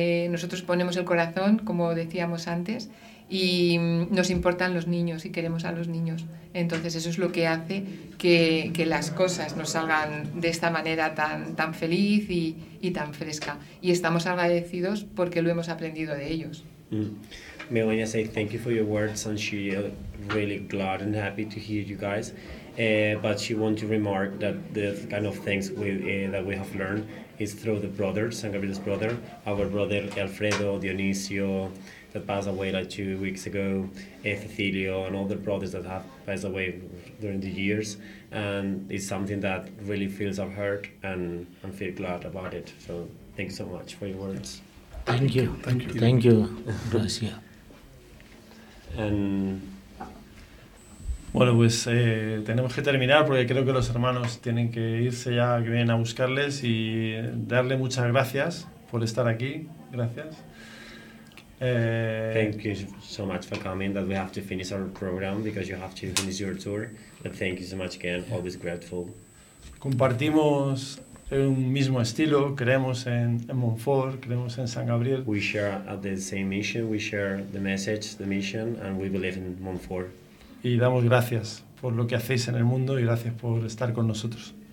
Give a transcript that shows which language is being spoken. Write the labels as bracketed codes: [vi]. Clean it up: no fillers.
[es] Nosotros ponemos el corazón, como decíamos antes, y nos importan los niños y queremos a los niños. Entonces eso es lo que hace que las cosas nos salgan de esta manera tan, tan feliz y tan fresca. Y estamos agradecidos porque lo hemos aprendido de ellos. [en] Melania, say thank you for your words, and she really glad and happy to hear you guys. But she wants to remark that the kind of things that we have learned is through the brothers, San Gabriel's brother, our brother Alfredo, Dionisio, that passed away like 2 weeks ago, Cecilio, and all the brothers that have passed away during the years. And it's something that really fills our heart, and I feel glad about it. So thank you so much for your words. Thank you. Thank you. [es] Gracias. [en] And [es] bueno, pues tenemos que terminar porque creo que los hermanos tienen que irse ya, que vienen a buscarles, y darle muchas gracias por estar aquí. Gracias. [en] Thank you so much for coming, that we have to finish our program because you have to finish your tour, but thank you so much again, always grateful. [es] Compartimos un mismo estilo, creemos en Montfort, creemos en San Gabriel. [en] We share the same mission, we share the message, the mission, and we believe in Montfort. [es] Y damos gracias por lo que hacéis en el mundo y gracias por estar con nosotros.